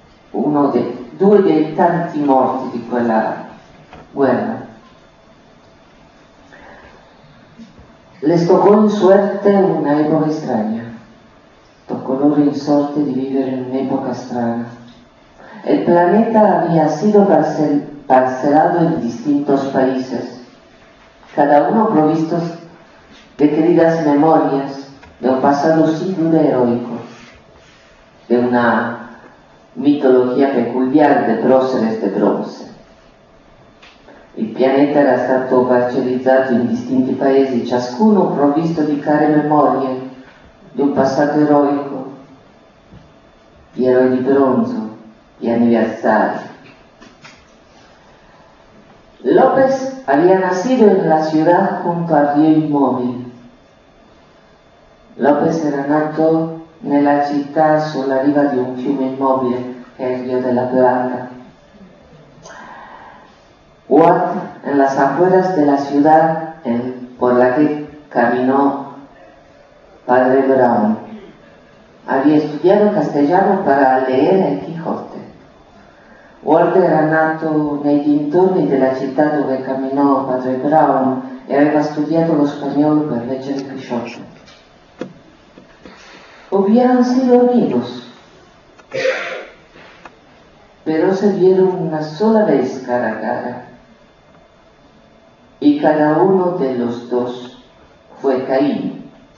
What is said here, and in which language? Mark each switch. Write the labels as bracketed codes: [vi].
[it] Due dei tanti morti di quella guerra. [es] Les tocó en suerte una época extraña. [it] Tocó loro in sorte di vivere in un'epoca strana. [es] El planeta había sido parcelado en distintos países, cada uno provisto de queridas memorias de un pasado siglo heroico, de una mitología peculiar de próceres de bronce. [it] Il pianeta era stato parcellizzato in distinti paesi, ciascuno provvisto di care memorie di un passato eroico, gli eroi di bronzo, gli anniversari. [es] López había nacido en la ciudad junto al río inmóvil. [it] López era nato nella città sulla riva di un fiume immobile, che è il Rio de la Plata. [es] Watt, en las afueras de la ciudad por la que caminó Padre Brown, había estudiado castellano para leer el Quijote. [it] Walt era nato nei dintorni della città dove camminò Padre Brown e aveva studiato lo spagnolo per leggere il Quijote. [es] Hubieran sido amigos, pero se vieron una sola vez cara a cara. Y cada uno de los dos fue Caín.